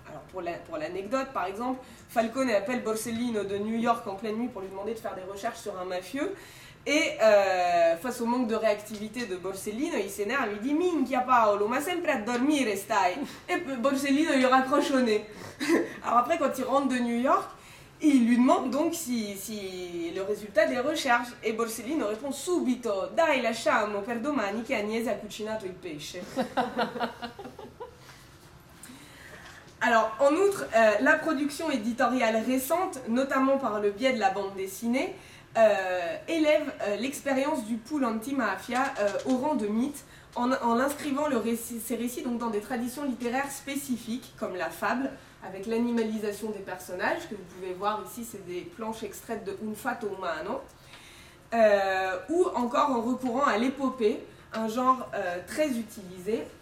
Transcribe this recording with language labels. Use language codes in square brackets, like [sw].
[fr] Alors pour l'anecdote par exemple, Falcone appelle Borsellino de New York en pleine nuit pour lui demander de faire des recherches sur un mafieux et face au manque de réactivité de Borsellino, il s'énerve, il dit [it] minchia Paolo, ma sempre a dormire stai, [fr] et Borsellino lui raccroche au nez. Alors après quand il rentre de New York, il lui demande donc si le résultat des recherches. Et Borsellino répond [it] subito, dai lasciamo per domani che Agnese ha cucinato il pesce. [fr] Alors, en outre, la production éditoriale récente, notamment par le biais de la bande dessinée, élève l'expérience du pool anti-mafia au rang de mythe en l'inscrivant ses récits donc, dans des traditions littéraires spécifiques, comme la fable, avec l'animalisation des personnages, que vous pouvez voir ici, c'est des planches extraites de Un fatto umano, ou encore en recourant à l'épopée, un genre très utilisé.